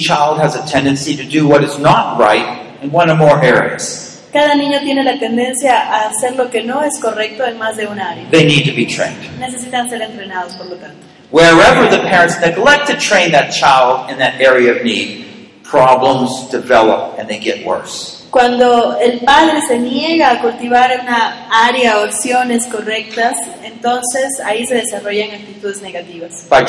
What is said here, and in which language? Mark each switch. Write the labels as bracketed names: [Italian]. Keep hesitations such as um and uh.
[English] child has a tendency to do what is not right in one or more areas. [Spanish] Cada niño tiene la tendencia a hacer lo que no es correcto en más de un área. [English] They need to be trained. [Spanish] Necesitan ser entrenados, por lo tanto. [English] Wherever the parents neglect to train that child in that area of need, problems develop and they get worse. [Spanish] Cuando el padre se niega a cultivar una área o opciones correctas, entonces ahí se desarrollan actitudes negativas.